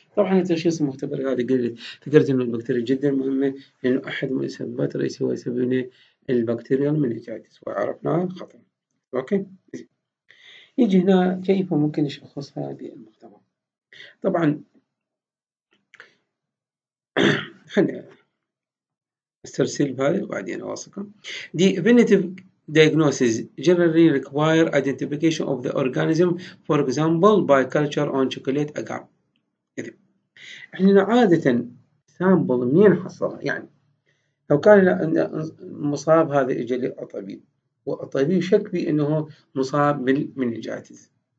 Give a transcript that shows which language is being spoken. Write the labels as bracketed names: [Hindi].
[Arabic] طبعا التشخيص المختبر هذا قلت فكرت انه البكتيريا جدا مهمه لانه احد من السببات الرئيسيه هو سببنا البكتيريال مينينجايتس وعرفنا خطر. اوكي يجي هنا كيف ممكن نشخص هذه المختبر. طبعا خلينا استرسل بهذا وبعدين اواصلكم. [English] The definitive diagnosis generally require identification of the organism, for example by culture on chocolate agar. [Arabic] احنا عادة sample منين نحصلها؟ يعني لو كان مصاب هذا اجى للطبيب والطبيب شك في انه مصاب بالمنجاتز.